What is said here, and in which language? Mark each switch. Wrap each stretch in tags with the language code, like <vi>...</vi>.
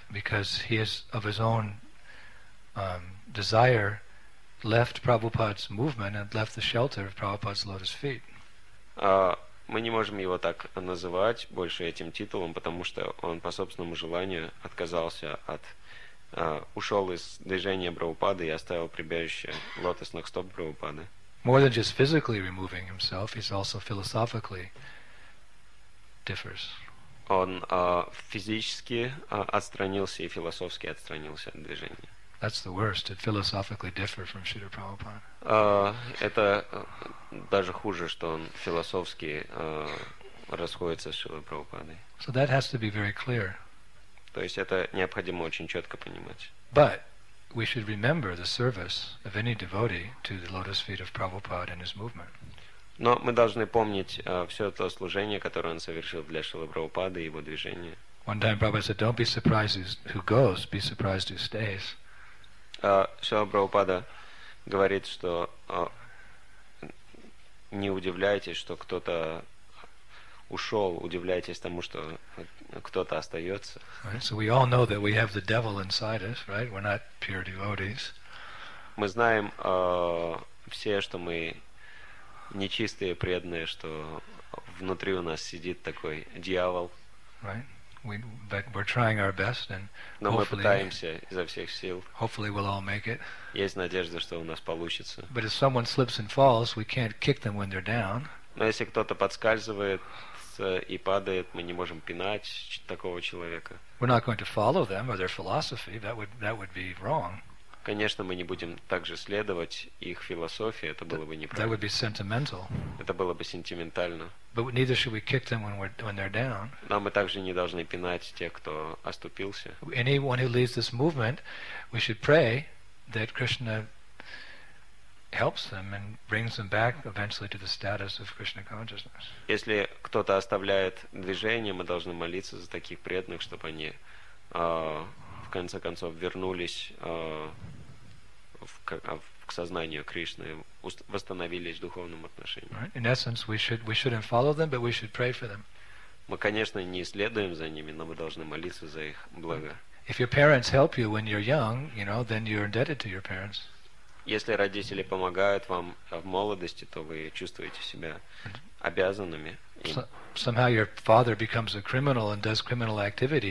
<en>Because he is of his own desire left Prabhupada's movement and left the shelter of Prabhupada's lotus feet.</en> <ru>Мы не можем его так называть больше этим титулом, потому что он по собственному желанию отказался от ушел из движения Прабхупады и оставил прибежище лотосных стоп Прабхупады.</ru> <en>More than just physically removing himself, he's also philosophically differs.</en> <ru>Он физически отстранился и философски отстранился от движения.</ru> <en>That's the worst, to philosophically differ from Śrīla Prabhupāda.</en> <ru>Это даже хуже, что он философски расходится с Шрилой Прабхупадой.</ru> <en>So that has to be very clear.</en> <ru>То есть это необходимо очень четко понимать.</ru> <en>But we should remember the service of any devotee to the lotus feet of Prabhupada and his movement.</en> <ru>Но мы должны помнить все то служение, которое он совершил для Шрилы Прабхупады и его движения.</ru> <en>One time Prabhupada said, "Don't be surprised who goes, be surprised who stays."</en> <ru>Шрила Прабхупада говорит, что не удивляйтесь, что кто-то ушел, удивляйтесь тому, что кто-то остается.</ru> <en>Right, so we all know that we have the devil inside us, right? We're not pure devotees.</en> <ru>Мы знаем все, что мы нечистые преданные, что внутри у нас сидит такой дьявол.</ru> <en>Right. But we're trying our best, and</en> <ru>но мы пытаемся изо всех сил.</ru> <en>Hopefully we'll all make it.</en> <ru>Есть надежда, что у нас получится.</ru> <en>But if someone slips and falls, we can't kick them when they're down.</en> <ru>Но если кто-то подскальзывает и падает, мы не можем пинать такого человека.</ru> <en>We're not going to follow them or their philosophy. That would be wrong.</en> <ru>Конечно, мы не будем также следовать их философии. Это было бы неправильно.</ru> <en>That would be sentimental.</en> <ru>Это было бы сентиментально.</ru> <en>But neither should we kick them when they're down.</en> <ru>Но мы также не должны пинать тех, кто оступился.</ru> <en>Anyone who leads this movement, we should pray that Krishna helps them and brings them back eventually to the status of Krishna consciousness.</en> <ru>Если кто-то оставляет движение, мы должны молиться за таких преданных, чтобы они в конце концов вернулись к сознанию Кришны, восстановились в духовном отношении.</ru> <en>Right. In essence, we shouldn't follow them, but we should pray for them.</en> <ru>Мы, конечно, не следуем за ними, но мы должны молиться за их благо.</ru> <en>If your parents help you when you're young, you know, then you're indebted to your parents.</en> <ru>Если родители помогают вам в молодости, то вы чувствуете себя обязанными.</ru> <en>Somehow your father becomes a criminal and does criminal activity.</en>